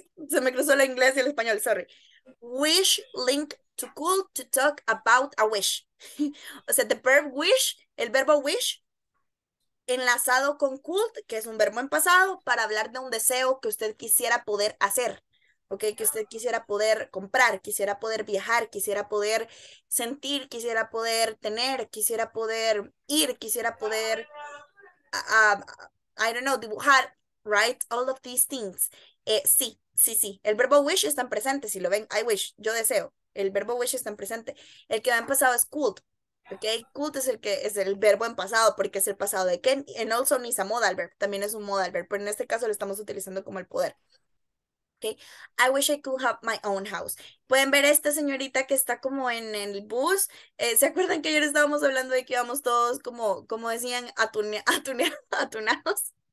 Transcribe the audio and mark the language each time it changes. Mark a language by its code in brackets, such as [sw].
[es] Se me cruzó el inglés y el español, sorry. [en] Wish link to could to talk about a wish. [es] O sea, [en] the verb wish, [es] el verbo wish, enlazado con could, que es un verbo en pasado, para hablar de un deseo que usted quisiera poder hacer. Okay, que usted quisiera poder comprar, quisiera poder viajar, quisiera poder sentir, quisiera poder tener, quisiera poder ir, quisiera poder, [en] I don't know, [es] dibujar, right? [en] All of these things. [es] Sí. El verbo wish está en presente, si lo ven. [en] I wish, [es] yo deseo. El verbo wish está en presente. El que va en pasado es could. Okay, could es el verbo en pasado, porque es el pasado de can. [en] And also is a modal verb. [es] También es un modal verb. Pero en este caso lo estamos utilizando como el poder. [en] Okay, I wish I could have my own house. [es] Pueden ver a esta señorita que está como en el bus. ¿Se acuerdan que ayer estábamos hablando de que íbamos todos como decían, atunados?